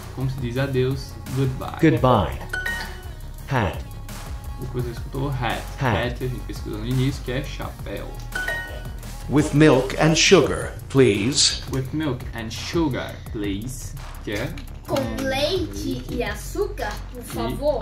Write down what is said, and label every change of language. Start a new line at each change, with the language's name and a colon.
Portuguese: como se diz adeus, goodbye.
English: Goodbye. Hat.
Portuguese: O que você escutou? Hat.
English: Hat.
Portuguese: Hat, a gente pesquisou no início, que é chapéu.
English: With milk and sugar, please. With milk and sugar, please.
Portuguese: Que é? Com leite e açúcar, por favor.